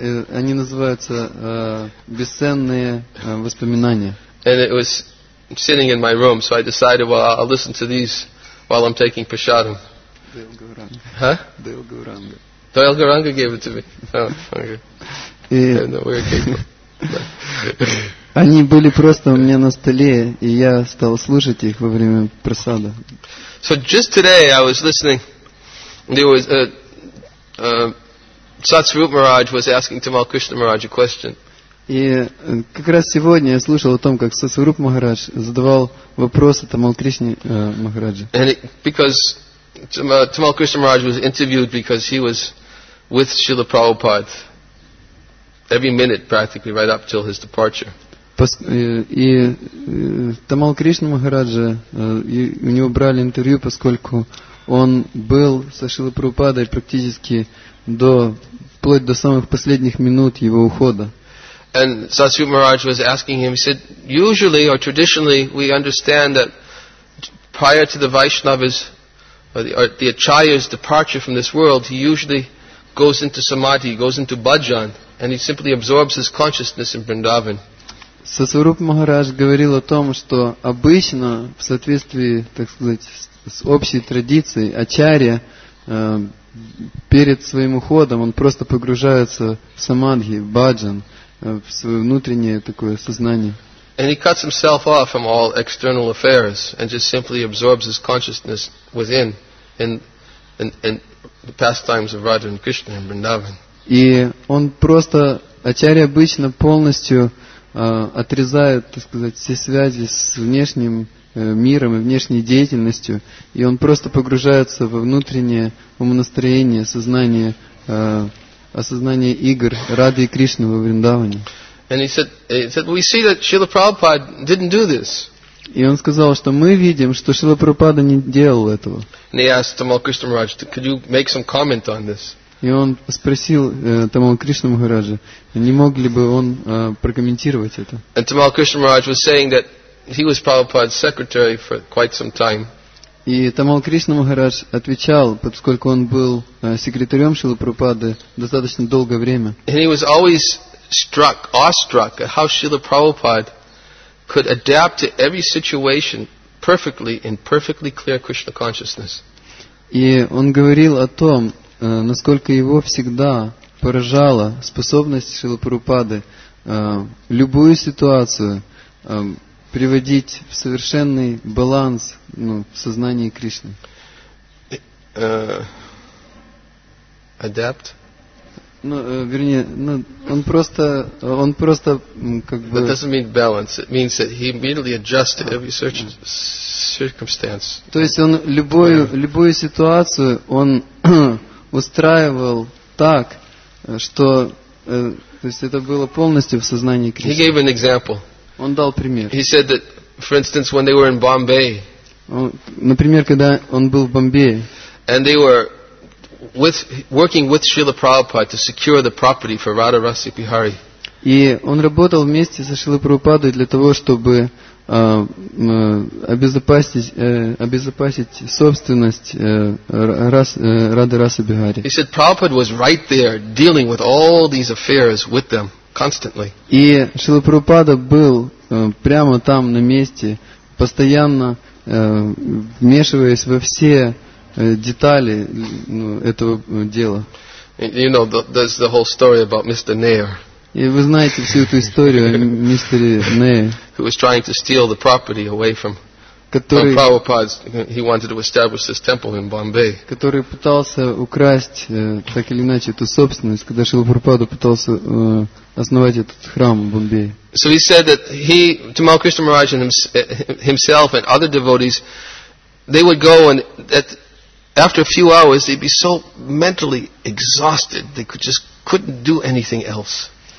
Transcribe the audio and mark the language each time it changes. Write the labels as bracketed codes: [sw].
[ru] Они называются бесценные воспоминания. [en] And it was. I'm sitting in my room, so I decided, well, I'll listen to these while I'm taking prasadam. Dale Gauranga. Huh? Dale Gauranga. Dale Gauranga gave it to me. Oh, okay. Yeah. I don't know where it came from. [ru] Они были просто у меня на столе, и я стал слушать их во время прасада. [en] So just today I was listening. There was Satsarupa Maharaj was asking Tamal Krishna Maharaj a question. [ru] И как раз сегодня я слушал о том, как Сасуруп Махарадж задавал вопросы Тамал Кришне Махараджа. [en] And because Tamal Krishna Maharaj was interviewed because he was with Srila Prabhupada every minute practically right up till his departure. [ru] И Тамал Кришна Махараджа, у него брали интервью, поскольку он был со Шрилой Прабхупадой практически вплоть до самых последних минут его ухода. [en] And Satsarupa Maharaj was asking him, he said, usually or traditionally we understand that prior to the Vaishnava's or the Acharya's departure from this world, he usually goes into Samadhi, goes into Bhajan, and he simply absorbs his consciousness in Vrindavan. [ru] Satsarupa Maharaj говорил о том, что обычно, в соответствии, так сказать, с общей традицией, Acharya, перед своим уходом, он просто погружается в Самадхи, в Bhajan. В свое внутреннее такое сознание. [en] And he cuts himself off from all external affairs and just simply absorbs his consciousness within in the pastimes of Radha and Krishna and Vrindavan. [ru] И он просто, ачарьи обычно полностью отрезают, так сказать, все связи с внешним миром и внешней деятельностью, и он просто погружается во внутреннее умонастроение, сознание, осознание игр Рады и Кришны во Вриндаване. [en] And he said, we see that Srila Prabhupada didn't do this. [ru] И он сказал, что мы видим, что Шрила Прабхупада не делал этого. [en] And he asked Tamal Krishna Maharaj, could you make some comment on this? [ru] И он спросил Тамал Кришна Махараджа, не мог ли бы он прокомментировать это. [en] And Tamal Krishna Maharaj was saying that he was Prabhupada's secretary for quite some time. [ru] И Тамал Кришна Махарадж отвечал, поскольку он был секретарем Шрилы Прабхупады достаточно долгое время. [en] And he was always struck, awestruck at how Srila Prabhupada could adapt to every situation perfectly in perfectly clear Krishna consciousness. [ru] И он говорил о том, насколько его всегда поражала способность Шрилы Прабхупады любую ситуацию приводить в совершенный баланс, ну, в сознании Кришны. [en] Adapt? [ru] Ну, вернее, ну, он просто, как бы... [en] That doesn't mean balance. It means that he immediately adjusted every circumstance. [ru] То есть он любую ситуацию он устраивал так, что, то есть это было полностью в сознании Кришны. [en] He gave an example. [ru] Он дал пример. [en] He said that, for instance, when they were in Bombay. [ru] Например, когда он был в Бомбее. [en] And they were working with Srila Prabhupada to secure the property for Radha Rasi Bihari. [ru] И он работал вместе со Шрилой Прабхупадой для того, чтобы обезопасить собственность Рады Раса Бихари. [en] He said Prabhupada was right there dealing with all these affairs with them constantly. [ru] И Шрила Прабхупада был прямо там на месте, постоянно вмешиваясь во все детали этого дела. [en] You know, there's the whole story about Mr. Nair. [ru] И вы знаете всю эту историю о мистере Нее. [en] Who was trying to steal the property away from Prabhupada's. He wanted to establish this temple in Bombay. [ru] Который пытался украсть так или иначе эту собственность, когда Шрила Прабхупада пытался основать этот храм в Бомбее. [en] So he said that he, Tamal Krishna Maharaj and himself and other devotees, they would go and that after a few hours they'd be so mentally exhausted they couldn't do anything else.